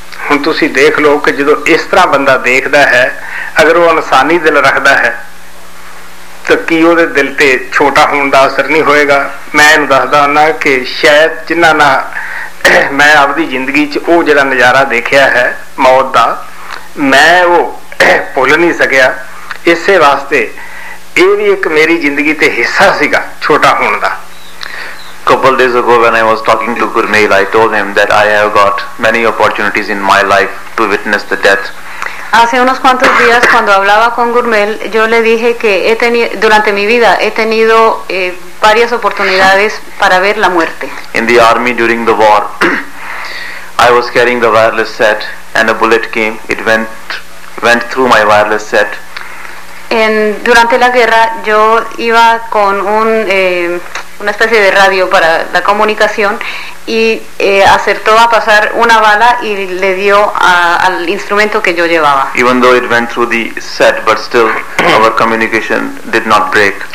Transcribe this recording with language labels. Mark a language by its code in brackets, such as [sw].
[pa] ਹੁਣ ਤੁਸੀਂ ਦੇਖ ਲਓ ਕਿ ਜਦੋਂ ਇਸ ਤਰ੍ਹਾਂ ਬੰਦਾ ਦੇਖਦਾ ਹੈ ਅਗਰ ਉਹ ਇਨਸਾਨੀ ਦਿਲ ਰੱਖਦਾ ਹੈ ਤਾਂ ਕੀ ਉਹਦੇ ਦਿਲ 'ਤੇ ਛੋਟਾ ਹੋਣ ਦਾ ਅਸਰ ਨਹੀਂ ਹੋਏਗਾ ਮੈਂ ਇਹਨੂੰ ਦੱਸਦਾ ਹੁੰਦਾ ਕਿ ਸ਼ਾਇਦ ਜਿਹਨਾਂ ਨਾਲ ਮੈਂ ਆਪਦੀ ਜ਼ਿੰਦਗੀ 'ਚ ਉਹ ਜਿਹੜਾ ਨਜ਼ਾਰਾ ਦੇਖਿਆ ਹੈ ਮੌਤ ਦਾ ਮੈਂ ਉਹ ਭੁੱਲ ਨਹੀਂ ਸਕਿਆ ਇਸੇ ਵਾਸਤੇ ਇਹ ਵੀ ਇੱਕ ਮੇਰੀ ਜ਼ਿੰਦਗੀ ਤੇ ਹਿੱਸਾ ਸੀਗਾ ਛੋਟਾ ਹੋਣ ਦਾ [en] Couple days ago when I was talking to Gurmeel I told him that I have got many opportunities in my life to witness the death [es] Hace unos cuantos días cuando hablaba con Gurmeel yo le dije que durante mi vida he tenido varias oportunidades para ver la muerte [en] In the army during the war I was carrying the wireless set and a bullet came it went through my wireless set [es] durante la guerra yo iba con un una especie de radio para la comunicación y acertó a pasar una bala y le dio al instrumento que yo llevaba [en] even though it went through the set but still our communication did not break